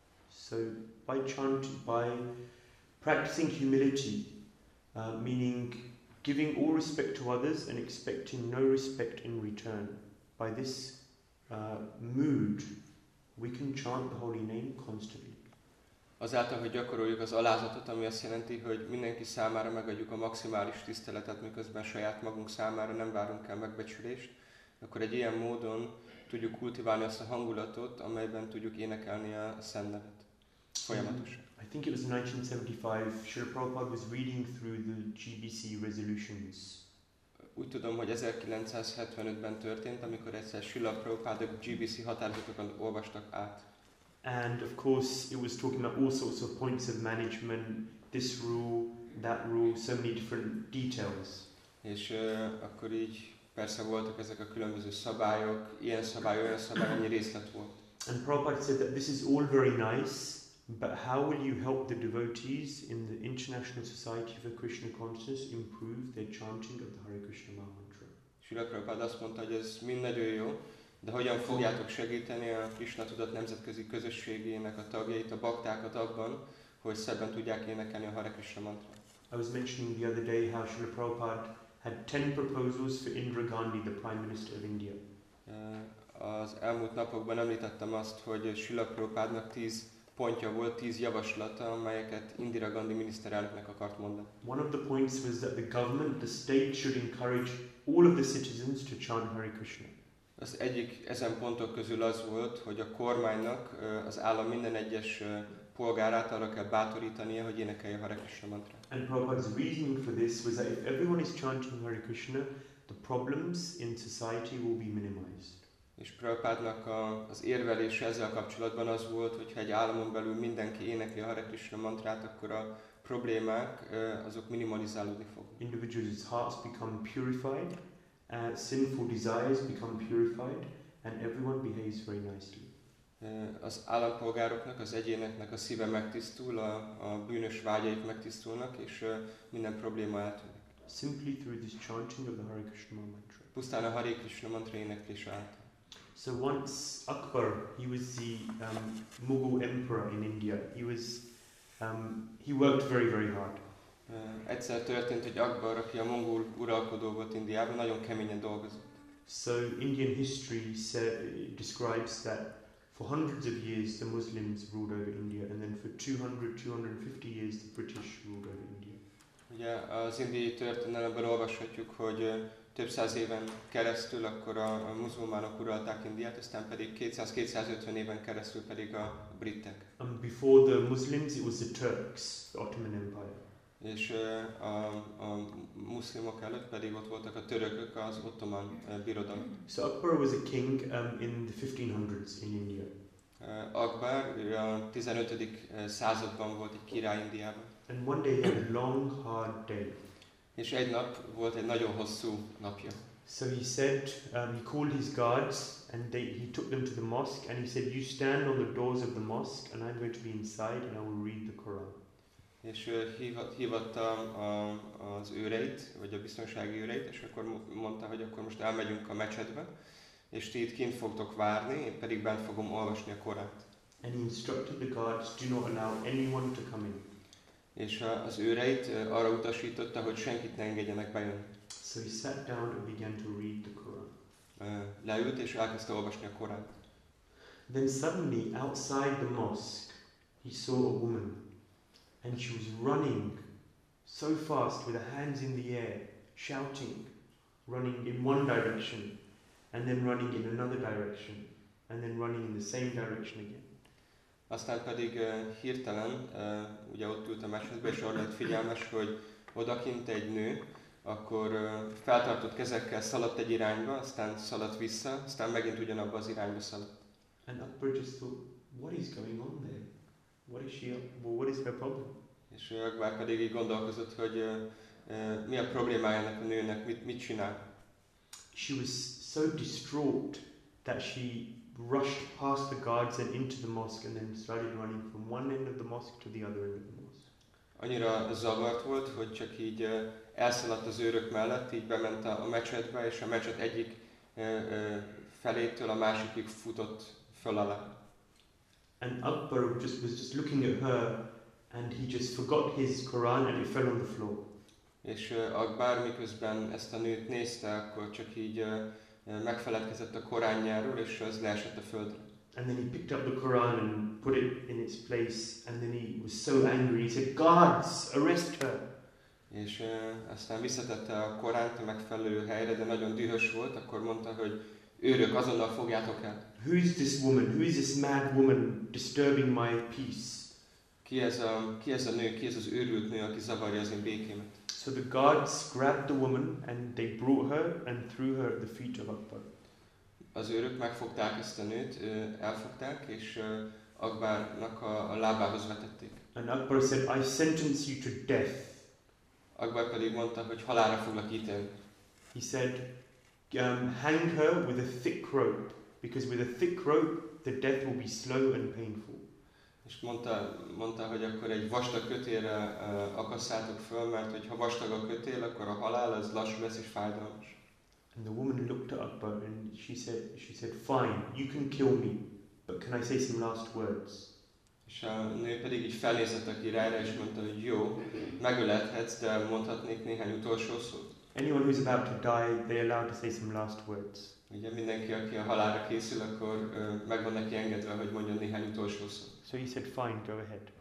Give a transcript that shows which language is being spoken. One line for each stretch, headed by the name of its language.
English: So by chant, by practicing humility, meaning giving all respect to others and expecting no respect in return, by this mood, we can chant the holy name constantly.
Hungarian: Azáltal, hogy gyakoroljuk az alázatot, ami azt jelenti, hogy mindenki számára megadjuk a maximális tiszteletet, miközben saját magunk számára nem várunk el megbecsülést, akkor egy ilyen módon tudjuk kultiválni azt a hangulatot, amelyben tudjuk énekelni a szent nevet folyamatosan.
English: I think it was 1975, Srila Prabhupada was reading through the GBC resolutions
Hungarian: Úgy tudom, hogy 1975-ben történt, amikor egyszer Srila Prabhupada GBC határozatokon olvastak át.
English: And of course it was talking about all sorts of points of management, this rule, that rule, so many different details.
Hungarian: És akkor így persze voltak ezek a különböző szabályok, ilyen szabály, olyan szabály, annyi részlet volt.
English: And Prabhupada said that this is all very nice, but how will you help the devotees in the International Society for Krishna Consciousness improve their chanting of the Hare Krishna Mahamantra?
Hungarian: Srila Prabhupada azt mondta, hogy ez mind nagyon jó, de hogyan fogjátok segíteni a Krishna Tudat Nemzetközi Közösségének a tagjait, a baktákat abban, hogy szebben tudják énekelni a Hare Krishna mantra?
English: I was mentioning the other day how Srila Prabhupada had 10 proposals for Indira Gandhi, the Prime Minister of India.
Hungarian: Az elmúlt napokban említettem azt, hogy Srila Prabhupádnak 10 pontja volt, 10 javaslata, amelyeket Indira Gandhi miniszterelnöknek akart mondani.
English: One of the points was that the government, the state should encourage all of the citizens to chant Hare Krishna.
Hungarian: Az egyik ezen pontok közül az volt, hogy a kormánynak, az állam minden egyes polgárát arra kell bátorítania, hogy énekelje Hare Krishna mantra.
English: And Prabhupada's reasoning for this was that if everyone is chanting Hare Krishna, the problems in society will be minimized.
Hungarian: És Prabhupádnak az érvelése ezzel kapcsolatban az volt, hogy ha egy államon belül mindenki énekli a Hare Krishna mantrát, akkor a problémák azok minimalizálódni fog.
English: Individuals' hearts become purified, sinful desires become purified, and everyone behaves very nicely.
Hungarian: Az állampolgároknak, az egyéneknek a szíve megtisztul, a bűnös vágyaik megtisztulnak, és minden probléma eltűnik.
English: Simply through this chanting of the Hare Krishna mantra.
Hungarian: Pusztán a Hare Krishna mantra éneklése által.
English: So once Akbar, he was the Mughal emperor in India. He was he worked very very hard.
Hungarian: Egyszer történt, hogy Akbar, aki a mongol uralkodó volt Indiában, nagyon keményen dolgozott.
English: So Indian history describes that for hundreds of years the Muslims ruled over India, and then for 200-250 years the British ruled over India.
Hungarian: Ugye az indiai történelemben olvashatjuk, hogy több száz éven keresztül akkor a muzulmánok uralták Indiát, aztán pedig 200-250 éven keresztül pedig a britek.
English: And before the Muslims it was the Turks, the Ottoman Empire.
Hungarian: És a muszlimok előtt pedig ott voltak a törökök, az ottoman birodalom.
English: So Akbar was a king in the 1500s in India.
Hungarian: Akbar a 15. században volt egy király Indiában.
English: And one day he had a long, hard day.
Hungarian: És egy nap volt egy nagyon hosszú napja.
English: So he said, he called his guards and he took them to the mosque and he said, you stand on the doors of the mosque and I'm going to be inside and I will read the Quran.
Hungarian: És hívatta az őreit, vagy a biztonsági őreit, és akkor mondta, hogy akkor most elmegyünk a mecsetbe, és ti itt kint fogtok várni, én pedig bent fogom olvasni a Koránt.
English: And he instructed the guards, do not allow anyone to come in.
Hungarian: És az őreit arra utasította, hogy senkit ne engedjenek bejönni.
English: So he sat down and began to read the Quran.
Hungarian: Leült és elkezdte olvasni a Koránt.
English: Then suddenly, outside the mosque, he saw a woman. And she was running so fast with her hands in the air, shouting, running in one direction, and then running in another direction, and then running in the same direction again.
Hungarian: Aztán pedig hirtelen, ugye ott ült a mesetbe, és arra lett figyelmes, hogy odakint egy nő, akkor feltartott kezekkel szaladt egy irányba, aztán szaladt vissza, aztán megint ugyanabba az irányba szaladt.
English: And Akbar just thought, what is going on there? What is she up? Well, what is her problem?
Hungarian: És Akbar pedig így gondolkozott, hogy mi a problémája ennek a nőnek, mit csinál?
English: She was so distraught that she rushed past the guards and into the mosque and then started running from one end of the mosque to the other end of the mosque.
Hungarian: Annyira zavart volt, hogy csak így elszaladt az őrök mellett, így bement a mecsetbe, és a mecset egyik felétől a másikig futott föl alá.
English: And Akbar was just looking at her and he just forgot his Quran and it fell on the floor.
Hungarian: És Akbar miközben ezt a nőt nézte, akkor csak így megfeledkezett a Koránjáról, és az leesett a földre.
English: And then he picked up the Quran and put it in its place and then he was so angry, he said, guards, arrest her!
Hungarian: És aztán visszatette a Koránt a megfelelő helyre, de nagyon dühös volt, akkor mondta, hogy őrök, azonnal fogjátok el.
English: Who is this woman? Who is this mad woman disturbing my peace?
Hungarian: Ki ez a nő, ki ez az őrült nő, aki zavarja az én békémet?
English: So the guards grabbed the woman and they brought her and threw her at the feet of Akbar.
Hungarian: Az őrök megfogták ezt a nőt, elfogták és Akbarnak a lábához vetették.
English: And Akbar said, I sentence you to death.
Hungarian: Akbar pedig mondta, hogy halálra foglak ítélni.
English: He said, hang her with a thick rope, because with a thick rope the death will be slow and painful.
Hungarian: És mondta, hogy akkor egy vastag kötélre akasszátok föl, mert hogyha vastag a kötél, akkor a halál az lassú lesz és fájdalmas.
English: And the woman looked at Akbar and she said, fine, you can kill me, but can I say some last words?
Hungarian: És a nő pedig így felnézett a királyra és mondta, hogy jó, megölethetsz, de mondhatnék néhány utolsó szót.
English: Anyone who's about to die, they're allowed to say some last words.
Hungarian: Ugye mindenki, aki a halálra készül, akkor meg van neki engedve, hogy mondjon néhány utolsó szót.
English: So he said, fine, go ahead.